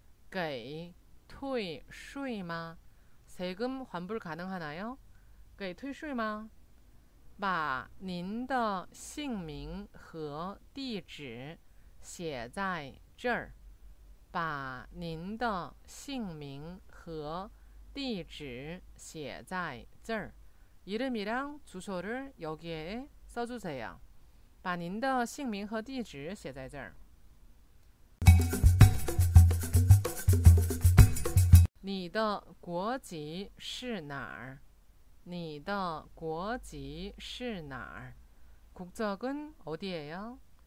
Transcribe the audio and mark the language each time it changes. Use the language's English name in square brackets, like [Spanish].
[Chinese] 给退税吗？ [Korean] 세금환불가능하나요？ [Chinese] 给退税吗？把您的姓名和地址写在这儿。把您的姓名和地址写在这儿。 [Korean] 이름이랑주소를여기에써주세요。 [Chinese] 把您的姓名和地址写在这儿。你的国籍是哪儿？你的国籍是哪儿？ [Korean] 국적은어디예요？